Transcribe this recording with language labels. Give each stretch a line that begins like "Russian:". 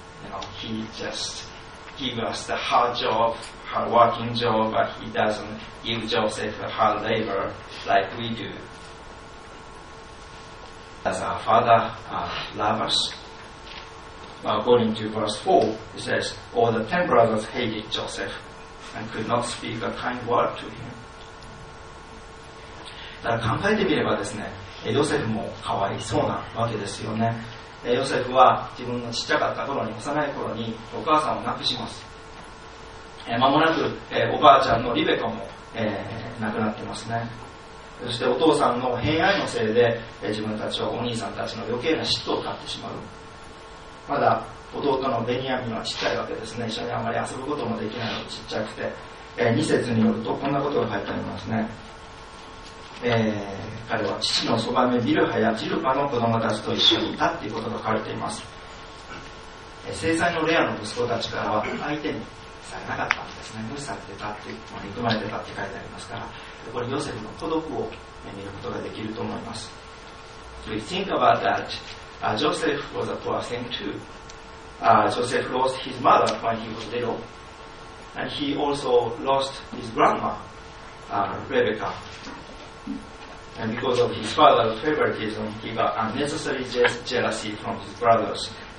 English: You know, he just gives us the hard job, hard working job, but he doesn't give Joseph a hard labor like we do. Does our father love us? Well, according to verse 4, it says, All the ten brothers hated Joseph and could not speak a kind word to him.
Japanese: だから考えてみればですね、ヨセフもかわいそうなわけですよね。ヨセフは自分のちっちゃかった頃に、幼い頃にお母さんを亡くします。間もなくおばあちゃんのリベカも亡くなってますね。そしてお父さんの偏愛のせいで自分たちはお兄さんたちの余計な嫉妬を買ってしまう。まだ弟のベニヤミンはちっちゃいわけですね。一緒にあまり遊ぶこともできないのでちっちゃくて、2節によるとこんなことが書いてありますね。彼は父のそばめビルハやジルパの子供たちと一緒にいたということが書かれています。制裁のレアの息子たちからは相手にされなかったんですね。無視されてたって、憎まれてたって書いてありますから、これヨセフの孤独を見ることができると思います。
English: We think about that. Joseph was a poor thing too. Joseph lost his mother when he was little, and he also lost his grandma, Rebecca. And because of his father's favoritism, he got unnecessary jealousy from his brothers.